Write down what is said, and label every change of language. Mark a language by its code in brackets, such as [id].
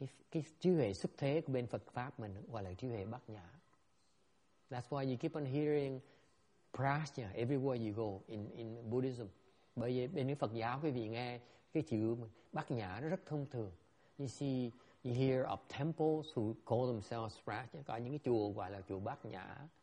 [vi] Cái trí huệ xuất thế của bên Phật pháp mình gọi là trí huệ bát nhã. [en] That's why you keep on hearing prajna everywhere you go in Buddhism. [vi] Bởi vì bên Phật giáo quý vị nghe cái chữ bát nhã nó rất thông thường. [en] You hear of temples who call themselves prajna. [vi] Có những cái chùa gọi là chùa bát nhã.